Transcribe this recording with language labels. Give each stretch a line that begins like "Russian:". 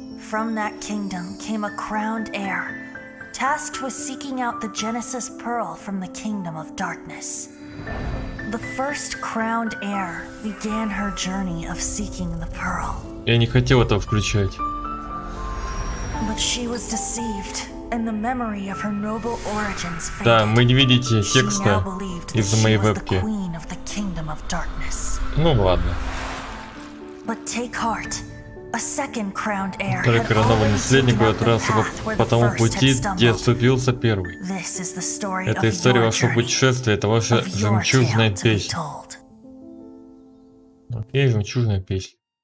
English: From that kingdom came a crowned heir, tasked with seeking out the Genesis Pearl from the Kingdom of Darkness. The first crowned heir began her journey of seeking the pearl.
Russian: Я не хотел это включать.
English: But she was deceived, and the memory of her noble origins faded.
Russian: Да, вы не видите текста из-за моей вебки.
English: Queen of the Kingdom of Darkness.
Russian: Ну ладно.
English: But take heart. A second crowned heir.
Russian: Только новый наследник будет отрасываться по тому пути, где оступился первый. Это история вашего путешествия, это ваша жемчужная песня. Окей, жемчужная песня.